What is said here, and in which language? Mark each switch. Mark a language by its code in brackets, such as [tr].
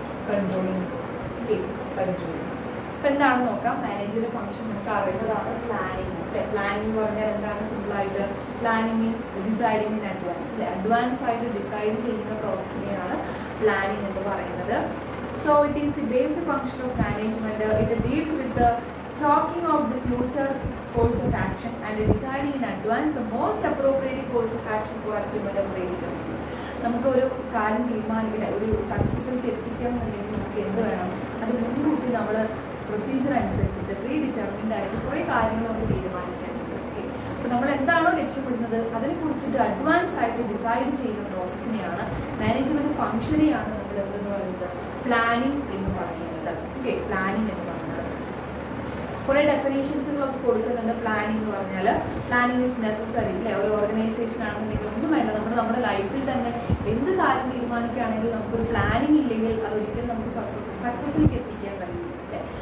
[ml] Controlling controlling. അപ്പം എന്താണ് നോക്കാം മാനേജറ് ഫംഗ്ഷൻ നമുക്ക് അറിയുന്നതാണ് പ്ലാനിങ് അല്ലെ. പ്ലാനിങ് എന്ന് പറഞ്ഞാൽ എന്താണ് സിമ്പിളായിട്ട് [en] planning means deciding in advance [ml] അല്ലെ അഡ്വാൻസ് ആയിട്ട് ഡിസൈഡ് ചെയ്യുന്ന പ്രോസസ്സിനെയാണ് പ്ലാനിങ് എന്ന് പറയുന്നത്. [en] So it is the basic function of management. It deals with the talking of the future course of action and deciding in advance the most appropriate course of action for achievement of the [ml] നമുക്ക് ഒരു കാര്യം തീരുമാനിക്കില്ല, ഒരു സക്സസിലേക്ക് എത്തിക്കണം എന്നുണ്ടെങ്കിൽ നമുക്ക് എന്ത് വേണം, അത് മുൻകൂട്ടി നമ്മൾ പ്രൊസീജിയർ അനുസരിച്ചിട്ട് പ്രീ ഡിറ്റർമിൻഡ് ആയിട്ട് കുറേ കാര്യങ്ങൾ നമുക്ക് തീരുമാനിക്കാൻ പറ്റും. അപ്പോൾ നമ്മൾ എന്താണോ ലക്ഷ്യപ്പെടുന്നത് അതിനെ കുറിച്ചിട്ട് അഡ്വാൻസ് ആയിട്ട് ഡിസൈഡ് ചെയ്യുന്ന പ്രോസസ്സിനെയാണ് മാനേജ്മെന്റ് ഫംഗ്ഷനെയാണ് നമ്മൾ എന്തെന്ന് പറയുന്നത്, പ്ലാനിംഗ് എന്ന് പറയുന്നത്. ഓക്കെ, പ്ലാനിംഗ് എന്ന് പറയുന്നത് കുറേ ഡെഫിനേഷൻസുകളൊക്കെ കൊടുക്കുന്നുണ്ട്. പ്ലാനിംഗ് എന്ന് പറഞ്ഞാൽ [en] planning is necessary [ml] അല്ലെ, ഒരു ഓർഗനൈസേഷൻ ആണെന്നുണ്ടെങ്കിൽ ഒന്നും വേണ്ട, നമ്മൾ നമ്മുടെ ലൈഫിൽ തന്നെ എന്ത് കാര്യം തീരുമാനിക്കുകയാണെങ്കിലും നമുക്കൊരു പ്ലാനിങ് ഇല്ലെങ്കിൽ അത് ഒരിക്കലും നമുക്ക് സക്സസിലേക്ക് എത്തിക്കാൻ കഴിയില്ല.